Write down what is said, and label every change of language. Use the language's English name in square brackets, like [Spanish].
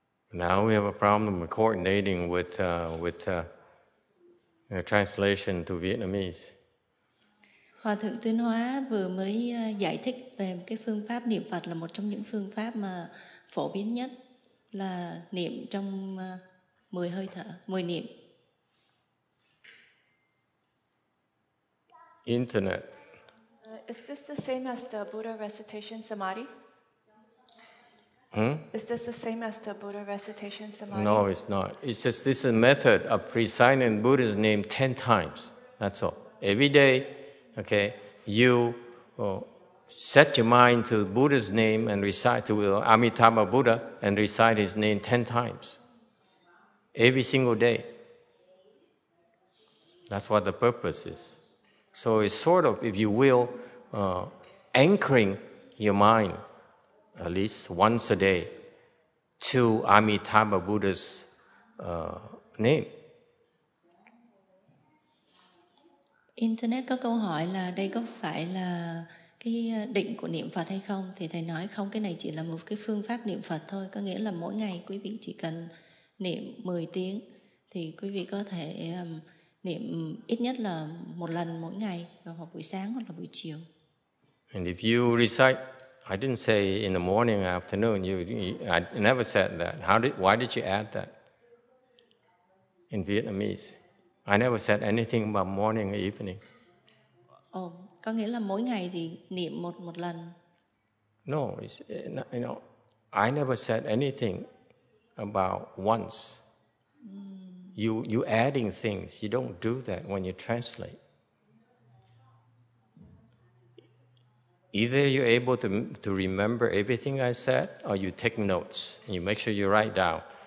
[English] Now we have a problem coordinating with translation to Vietnamese. [Vietnamese] Hòa Thượng Tuyên Hóa vừa mới giải thích về cái phương pháp niệm Phật là một trong những phương pháp mà phổ biến nhất. là niệm trong 10 hơi thở, 10 niệm. [English] Internet. Is this the same as the Buddha recitation samadhi? Is this the same as the Buddha recitation samadhi? No, it's not. It's just this is a method of reciting Buddha's name 10 times. That's all. Every day, okay, you set your mind to Buddha's name and recite to Amitabha Buddha and recite his name 10 times. Every single day. That's what the purpose is. So it's sort of, if you will, anchoring your mind at least once a day to Amitabha Buddha's name. [Vietnamese] Internet có câu hỏi là đây có phải là cái định của niệm Phật hay không? Thì thầy nói không, cái này chỉ là một cái phương pháp niệm Phật thôi. Có nghĩa là mỗi ngày quý vị chỉ cần niệm 10 tiếng thì quý vị có thể niệm ít nhất là một lần mỗi ngày, hoặc buổi sáng hoặc là buổi chiều. [English] And if you recite, I didn't say in the morning or afternoon, I never said that. Why did you add that in Vietnamese? I never said anything about morning or evening. [Vietnamese] Oh, có nghĩa là mỗi ngày thì niệm một lần. [English] No, it's, you know, I never said anything about once. You adding things. You don't do that when you translate. Either you're able to remember everything I said, or you take notes and you make sure you write down.